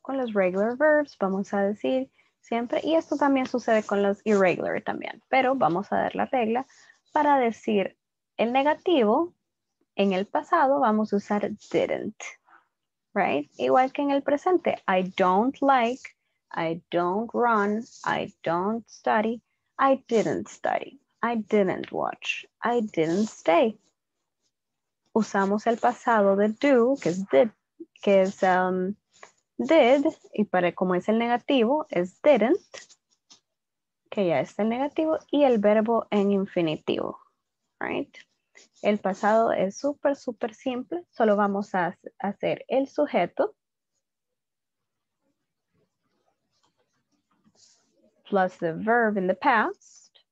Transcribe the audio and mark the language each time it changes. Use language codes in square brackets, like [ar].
[es] Con los [en] regular verbs, [es] vamos a decir siempre, y esto también sucede con los irregular también, pero vamos a dar la regla para decir el negativo. En el pasado vamos a usar didn't, [en] right? [es] Igual que en el presente, [en] I don't like, I don't run, I don't study, I didn't study, I didn't watch, I didn't stay. [es] Usamos el pasado de do, que es did, que es did, y para como es el negativo, es didn't, que ya es el negativo, y el verbo en infinitivo, [en] right? [es] El pasado es súper, súper simple, solo vamos a hacer el sujeto [en] plus the verb in the past.